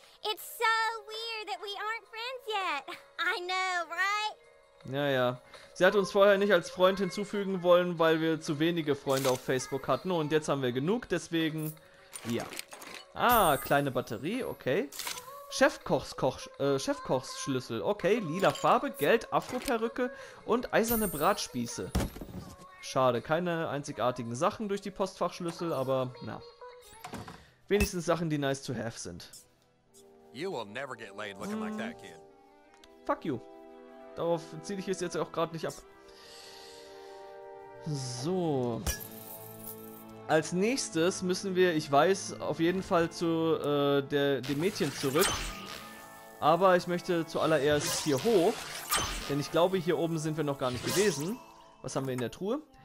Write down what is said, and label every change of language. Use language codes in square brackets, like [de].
[en] It's so weird that we aren't friends yet. I know, right? [de] Ja, ja. Sie hat uns vorher nicht als Freund hinzufügen wollen, weil wir zu wenige Freunde auf Facebook hatten. Und jetzt haben wir genug, deswegen... Ja. Ah, kleine Batterie, okay. Chefkochsschlüssel, okay. Lila Farbe, Geld, Afro-Perücke und eiserne Bratspieße. Schade, keine einzigartigen Sachen durch die Postfachschlüssel, aber na. Wenigstens Sachen, die [en] nice to have [de] sind. [en] You will never get laid looking like that kid. Fuck you. [de] Darauf ziehe ich es jetzt auch gerade nicht ab. So. Als nächstes müssen wir, ich weiß, auf jeden Fall zu dem Mädchen zurück. Aber ich möchte zuallererst hier hoch. Denn ich glaube, hier oben sind wir noch gar nicht gewesen. Was haben wir in der Truhe?